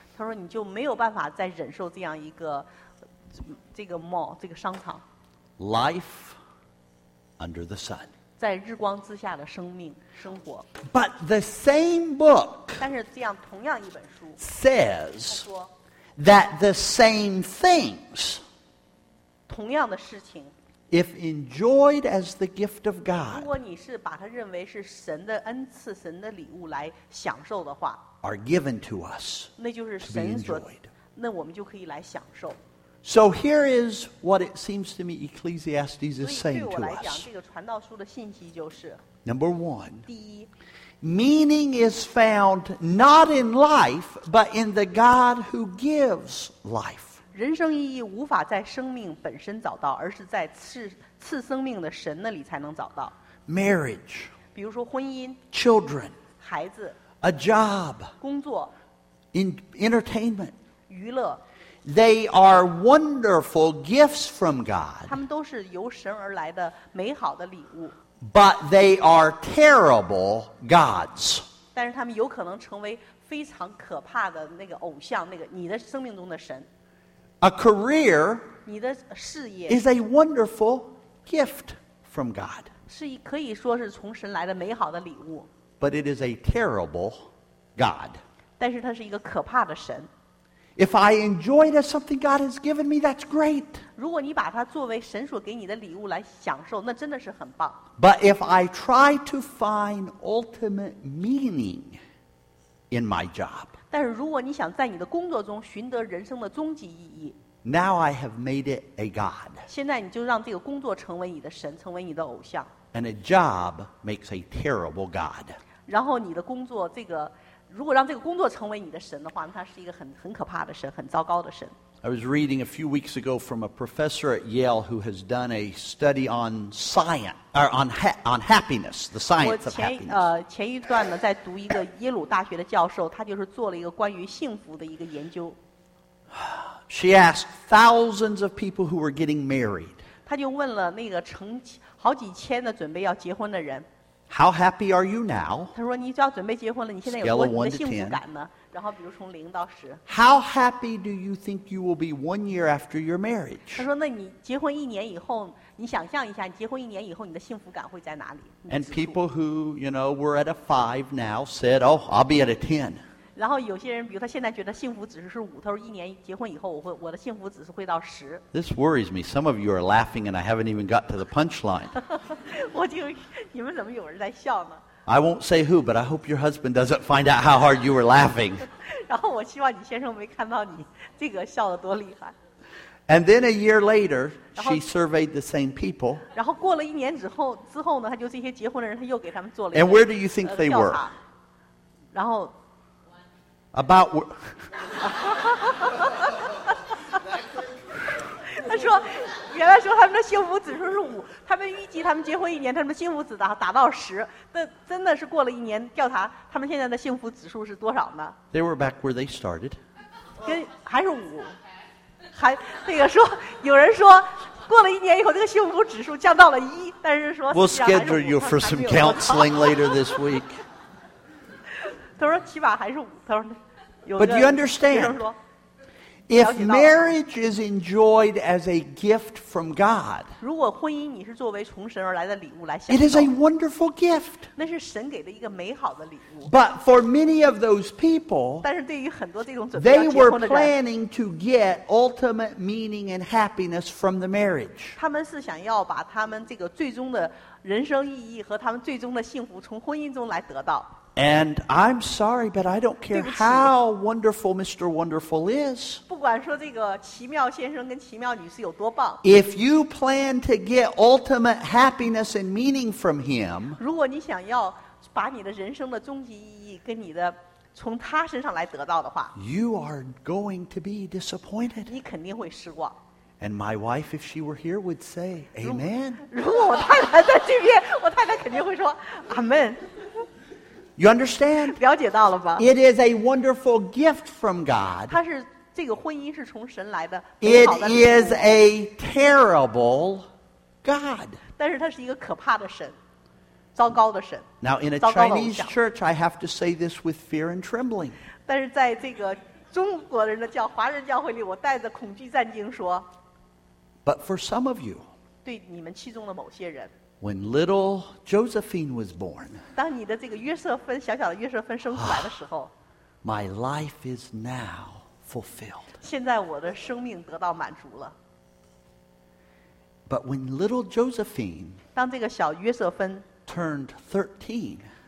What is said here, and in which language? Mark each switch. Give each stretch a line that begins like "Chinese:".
Chinese: 他说你就没有办法再忍受这样一个这个 mall 这个商场。
English: Life under the sun.
Chinese: 在日光之下的生命生活。
English: But the same book.
Chinese: 但是这样同样一本书。
English: Says. That the same things.
Chinese: 同样的事情。
English: If enjoyed as the gift of God.
Chinese: 如果你是把它认为是神的恩赐神的礼物来享受的话。
English: Are given to us.
Chinese: 那就是神所。
English: To be enjoyed.
Chinese: 那我们就可以来享受。
English: So here is what it seems to me Ecclesiastes is saying to us.
Chinese: 这个传道书的信息就是
English: Number one.
Chinese: 第一
English: Meaning is found not in life, but in the God who gives life.
Chinese: 人生意义无法在生命本身找到，而是在赐生命的神那里才能找到。
English: Marriage.
Chinese: 比如说婚姻。
English: Children.
Chinese: 孩子。
English: A job.
Chinese: 工作。
English: In entertainment.
Chinese: 娱乐。
English: They are wonderful gifts from God.
Chinese: 他们都是由神而来的美好的礼物。
English: But they are terrible gods.
Chinese: 但是他们有可能成为非常可怕的那个偶像，那个你的生命中的神。
English: A career.
Chinese: 你的事业。
English: Is a wonderful gift from God.
Chinese: 是可以说是从神来的美好的礼物。
English: But it is a terrible God.
Chinese: 但是他是一个可怕的神。
English: If I enjoyed something God has given me, that's great.
Chinese: 如果你把它作为神所给你的礼物来享受，那真的是很棒。
English: But if I try to find ultimate meaning in my job,
Chinese: 但是如果你想在你的工作中寻得人生的终极意义，
English: now I have made it a god.
Chinese: 现在你就让这个工作成为你的神，成为你的偶像。
English: And a job makes a terrible god.
Chinese: 然后你的工作这个。如果让这个工作成为你的神的话，那它是一个 很可怕的神，很糟糕的神。
English: I was reading a few weeks ago from a professor at Yale who has done a study on science, or on happiness, the science of happiness.
Chinese: 前一段呢，在读一个耶鲁大学的教授，他就是做了一个关于幸福的一个研究。
English: She asked thousands of people who were getting married.
Chinese: 他就问了那个成好几千的准备要结婚的人。
English: How happy are you now?
Chinese: 他说你就要准备结婚了，你现在有多么的幸福感呢？然后比如从零到十。
English: How happy do you think you will be 1 year after your marriage?
Chinese: 他说那你结婚一年以后，你想象一下，你结婚一年以后你的幸福感会在哪里？
English: And people who, you know, were at a 5 now said, oh, I'll be at a 10.
Chinese: 然后有些人比如他现在觉得幸福指数是五，他说一年结婚以后我的幸福指数会到十。
English: This worries me. Some of you are laughing and I haven't even got to the punchline.
Chinese: 我就你们怎么有人在笑呢？
English: I won't say who, but I hope your husband doesn't find out how hard you were laughing.
Chinese: 然后我希望你先生没看到你这个笑得多厉害。
English: And then a year later, she surveyed the same people.
Chinese: 然后过了一年之后呢，他就这些结婚的人他又给他们做了一个。
English: And where do you think they were?
Chinese: 然后。
English: About.
Chinese: 他说，原来说他们的幸福指数是五，他们预计他们结婚一年，他们的幸福指数达到十。那真的是过了一年调查，他们现在的幸福指数是多少呢
English: ？They were back where they started.
Chinese: 跟还是五，还那个说，有人说过了一年以后，这个幸福指数降到了一，但是说
English: We'll schedule you for some counseling later this week.
Chinese: 他说起码还是五，他说有。
English: But you understand? If marriage is enjoyed as a gift from God,
Chinese: 如果婚姻你是作为从神而来的礼物来享受，
English: it is a wonderful gift.
Chinese: 那是神给的一个美好的礼物。
English: But for many of those people,
Chinese: 但是对于很多这种准备要结婚的人，
English: they were planning to get ultimate meaning and happiness from the marriage.
Chinese: 他们是想要把他们这个最终的人生意义和他们最终的幸福从婚姻中来得到。
English: And I'm sorry, but I don't care how wonderful Mr. Wonderful is.
Chinese: 不管说这个奇妙先生跟奇妙女士有多棒。
English: If you plan to get ultimate happiness and meaning from him,
Chinese: 如果你想要把你的人生的终极意义跟你的从他身上来得到的话，
English: you are going to be disappointed.
Chinese: 你肯定会失望。
English: And my wife, if she were here, would say, Amen.
Chinese: 如果我太太在这边，我太太肯定会说 ，Amen。
English: You understand?
Chinese: 了解到了吧?
English: It is a wonderful gift from God.
Chinese: 它是这个婚姻是从神来的。
English: It is a terrible God.
Chinese: 但是它是一个可怕的神，糟糕的神。
English: Now, in a Chinese church, I have to say this with fear and trembling.
Chinese: 但是在这个中国人的教华人教会里，我带着恐惧战惊说。
English: But for some of you,
Chinese: 对你们其中的某些人。
English: When little Josephine was born,
Chinese: 当你的这个约瑟芬小小的约瑟芬生出来的时候
English: ，My life is now fulfilled.
Chinese: 现在我的生命得到满足了。
English: But when little Josephine,
Chinese: 当这个小约瑟芬
English: turned 13,